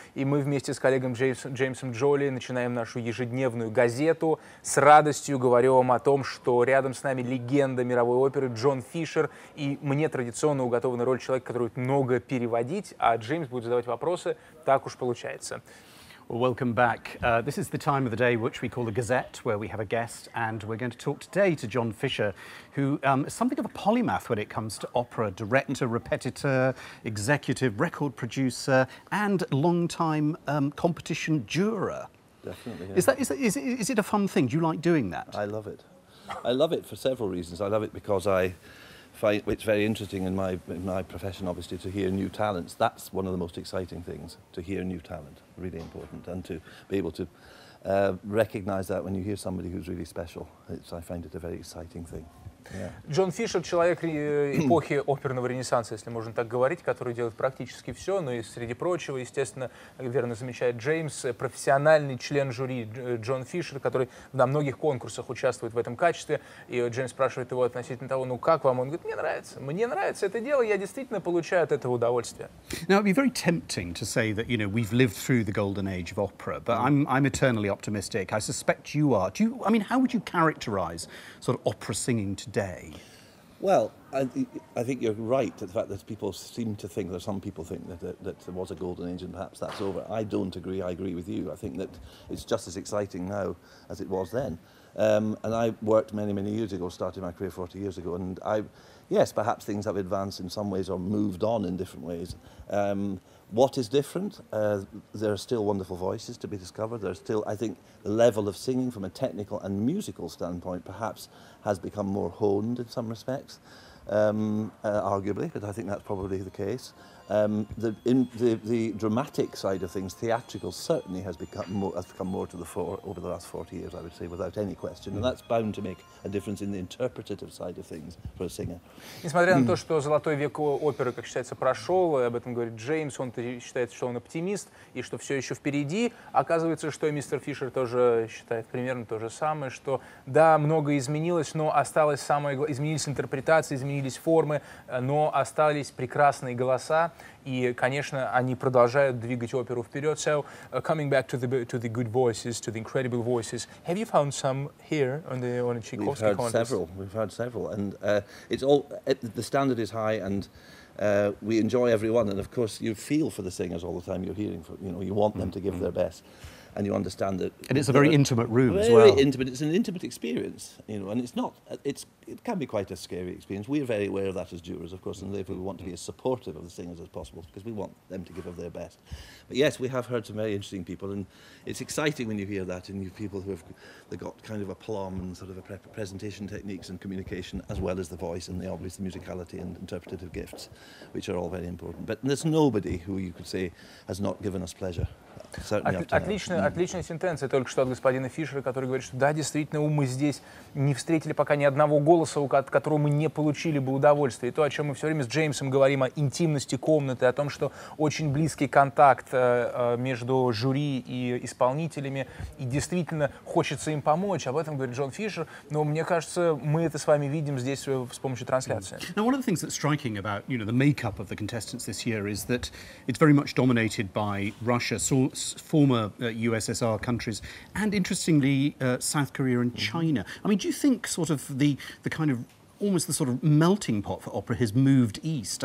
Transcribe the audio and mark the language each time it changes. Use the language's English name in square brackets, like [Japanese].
[Russian] И мы вместе с коллегом Джеймсом Джоли начинаем нашу ежедневную газету. С радостью говорю вам о том, что рядом с нами легенда мировой оперы Джон Фишер. И мне традиционно уготована роль человека, который будет много переводить, а Джеймс будет задавать вопросы. Так уж получается. [English] Well, welcome back. This is the time of the day which we call the Gazette, where we have a guest, and we're going to talk today to John Fisher, who is something of a polymath when it comes to opera, director, repetiteur, executive, record producer, and long-time competition juror. Definitely, yeah. Is it a fun thing? Do you like doing that? I love it. I love it for several reasons. I love it because I find it's very interesting in my profession, obviously, to hear new talents. That's one of the most exciting things, to hear new talent, really important, and to be able to recognize that when you hear somebody who's really special. I find it a very exciting thing. [Russian] Джон Фишер — человек эпохи оперного ренессанса, если можно так говорить, который делает практически все, но и среди прочего, естественно, верно замечает Джеймс, профессиональный член жюри Джон Фишер, который на многих конкурсах участвует в этом качестве. И Джеймс спрашивает его относительно того, ну как вам? Он говорит, мне нравится это дело, я действительно получаю от этого удовольствие. [English] Now, it'd be very tempting to say that, you know, we've lived through the golden age of opera, but I'm eternally optimistic. I suspect you are. How would you characterize sort of opera singing today? Well, I think you're right at the fact that people seem to think, that some people think that there was a golden age and perhaps that's over. I don't agree. I agree with you. I think that it's just as exciting now as it was then. And I worked many, many years ago, started my career 40 years ago, and yes, perhaps things have advanced in some ways or moved on in different ways. What is different? There are still wonderful voices to be discovered. There's still, I think, the level of singing from a technical and musical standpoint perhaps has become more honed in some respects, arguably, but I think that's probably the case. The dramatic side of things, theatrical, certainly has come more to the fore over the last 40 years, I would say, without any question. And that's bound to make a difference in the interpretative side of things for a singer. [Russian] Несмотря на то, что золотой век оперы, как считается, прошел, об этом говорит Джеймс, он считает, что он оптимист, и что все еще впереди, оказывается, что и мистер Фишер тоже считает примерно то же самое, что да, многое изменилось, но осталось самое... Изменились интерпретации, изменились формы, но остались прекрасные голоса. И, конечно, они продолжают двигать оперу вперед. [English] So, coming back to the good voices, to the incredible voices, have you found some here on the Tchaikovsky contest? We've had several, and the standard is high, and we enjoy everyone. And of course, you feel for the singers all the time. You're hearing for, you know, you want them to give their best, and you understand that. And it's a very intimate room very as well. Very intimate. It's an intimate experience, you know, and it's not. It can be quite a scary experience. We're very aware of that as jurors, of course, and therefore we want to be as supportive of the singers as possible because we want them to give of their best. But yes, we have heard some very interesting people, and it's exciting when you hear that, and you have people who have got kind of aplomb and sort of a presentation techniques and communication, as well as the voice and the obvious musicality and interpretative gifts, which are all very important. But there's nobody who you could say has not given us pleasure. [Russian] Отличная сентенция только что от господина Фишера, который говорит, что да, действительно, мы здесь не встретили пока ни одного голоса, от которого мы не получили бы удовольствие. И то, о чем мы все время с Джеймсом говорим, о интимности комнаты, о том, что очень близкий контакт между жюри и исполнителями, и действительно хочется им помочь. Об этом говорит Джон Фишер. Но мне кажется, мы это с вами видим здесь с помощью трансляции. [English] Now, one of the things that's striking about, you know, the makeup of the contestants this year is that it's very much dominated by Russia. Former USSR countries, and interestingly, South Korea and China. I mean, do you think sort of the kind of almost the sort of melting pot for opera has moved east?